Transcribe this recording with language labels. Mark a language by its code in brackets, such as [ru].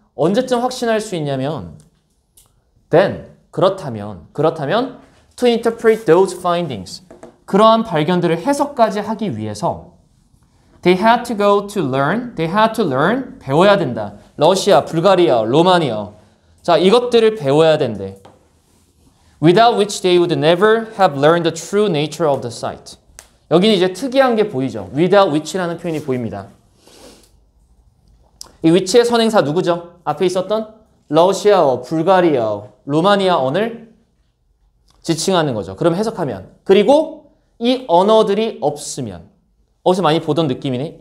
[ko] 언제쯤 확신할 수 있냐면 [en] then, [ko] 그렇다면 [en] to interpret those findings [ko] 그러한 발견들을 해석까지 하기 위해서 [en] they had to learn [ko] 배워야 된다. 러시아, 불가리아, 루마니아 자 이것들을 배워야 된대. [en] without which they would never have learned the true nature of the site. [ko] 여기는 이제 특이한 게 보이죠. [en] without which [ko] 라는 표현이 보입니다. 이 위치의 선행사 누구죠? 앞에 있었던 러시아어, 불가리아어, 루마니아어를 지칭하는 거죠. 그럼 해석하면 그리고 이 언어들이 없으면 어디서 많이 보던 느낌이네.